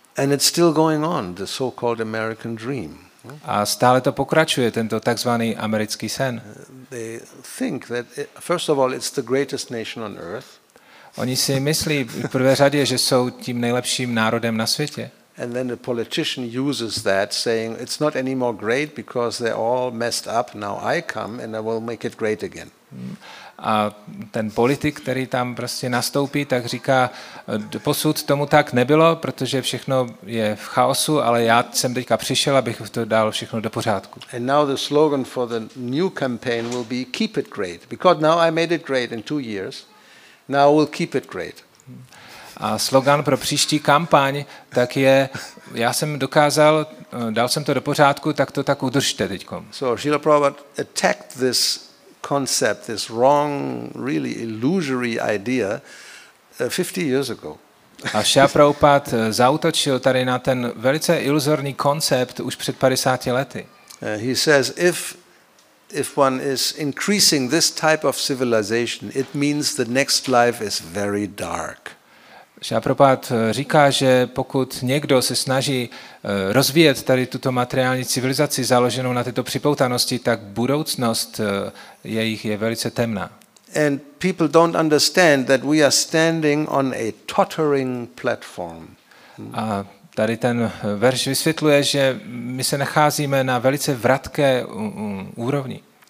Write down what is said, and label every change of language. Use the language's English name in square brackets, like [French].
[English] And it's still going on, the so-called American dream. [Czech] A stále to pokračuje, tento takzvaný americký sen. [English] They think that, first of all, it's the greatest nation on earth. [Czech] Oni si myslí v prvé řadě, že jsou tím nejlepším národem na světě. [English] And then the politician uses that, saying it's not any more great because they're all messed up. Now I come and I will make it great again. [Czech] A ten politik, který tam prostě nastoupí, tak říká: "Doposud tomu tak nebylo, protože všechno je v chaosu, ale já jsem teďka přišel, abych to dal všechno do pořádku." [English] And now the slogan for the new campaign will be "Keep it great," because now I made it great in 2 years. Now we'll keep it great. [Czech] A slogan pro příští kampaň tak je: já jsem dokázal, dal jsem to do pořádku, tak to tak udržte teďkom. [English] So Srila Prabhupada attacked this concept, this wrong, really illusory idea 50 years ago. [Czech] A Srila Prabhupada zautočil tady na ten velice iluzorní koncept už před 50 lety. [English] He says if one is increasing this type of civilization, it means the next life is very dark. [Czech] Srila Prabhupada říká, že pokud někdo se snaží rozvíjet tady tuto materiální civilizaci založenou na této připoutanosti, tak budoucnost jejich je velice temná. [English] And people don't understand that we are standing on a tottering platform. [Czech] A tady ten verš vysvětluje, že my se nacházíme na velice vratké úrovni.